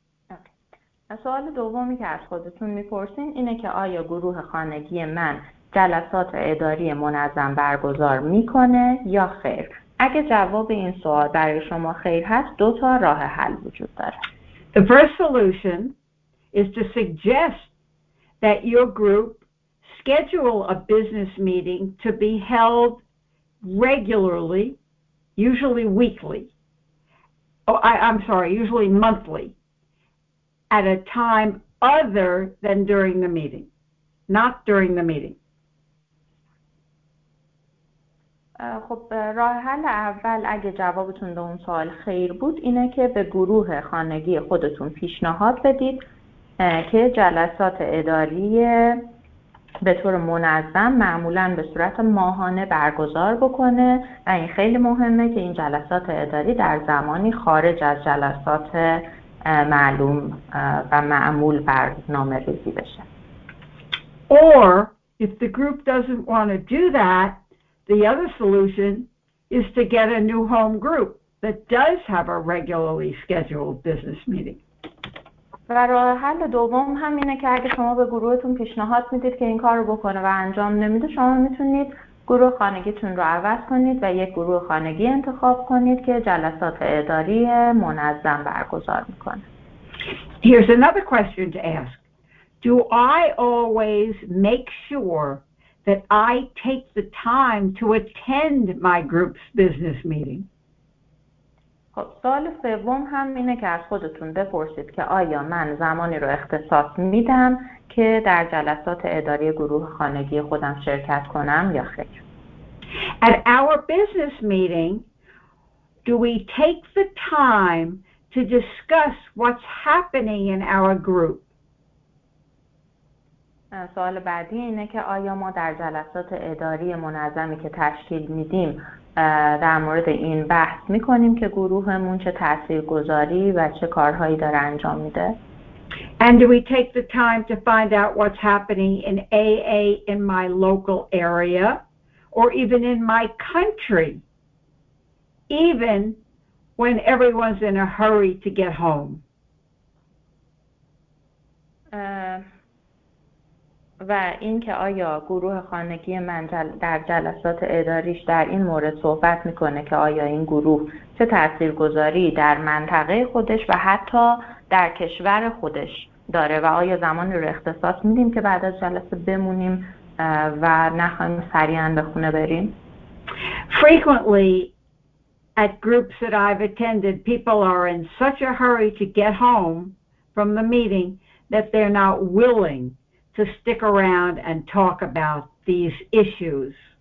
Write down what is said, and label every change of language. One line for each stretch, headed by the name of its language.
English: Okay.
Persian: سوال دومی که از خودتون میپرسین اینه که آیا گروه خانگی من جلسات اداری منظم برگزار میکنه یا خیر؟ اگه جواب این سوال برای شما خیر هست، دو تا راه حل وجود داره.
English: The first solution is to suggest that your group schedule a business meeting to be held regularly, usually weekly. Usually monthly, at a time other than during the meeting, not during the meeting.
Persian: خب راه حل اول اگه جوابتون به اون سوال خیر بود اینه که به گروه خانگی خودتون پیشنهاد بدید که جلسات اداری به طور منظم معمولاً به صورت ماهانه برگزار بکنه و این خیلی مهمه که این جلسات اداری در زمانی خارج از جلسات معلوم و معمول برنامه ریزی بشه.
English: Or if the group doesn't want to do that, the other solution is to get a new home group that does have a regularly scheduled business meeting.
Persian: و راه حل دوم هم اینه که اگه شما به گروهتون پیشنهاد میدید که این کار رو بکنه و انجام نمیده شما میتونید گروه خانگیتون رو عوض کنید و یک گروه خانگی انتخاب کنید که جلسات اداری منظم برگزار میکنه.
English: Here's another question to ask. Do I always make sure that I take the time to attend my group's business meeting?
Persian: خب سوال سوم هم اینه که از خودتون بپرسید که آیا من زمانی رو اختصاص میدم که در جلسات اداری گروه خانگی خودم شرکت کنم یا خیر؟
English: At our business meeting, do we take the time to discuss what's happening in our group?
Persian: سوال بعدی اینه که آیا ما در جلسات اداری منظمی که تشکیل میدیم در مورد این بحث میکنیم که گروهمون چه تاثیرگذاری و چه کارهایی داره انجام میده؟
English: And do we take the time to find out what's happening in AA in my local area or even in my country, even when everyone's in a hurry to get home?
Persian: و اینکه آیا گروه خانگی من در جلسات اداریش در این مورد صحبت میکنه که آیا این گروه چه تاثیرگذاری در منطقه خودش و حتی در کشور خودش داره و آیا زمان رو اختصاص میدیم که بعد از جلسه بمونیم و نخواهیم سریعا به خونه بریم؟
English: Frequently at groups that I've attended, people are in such a hurry to get home from the meeting that they're not willing to stick around and talk about these issues.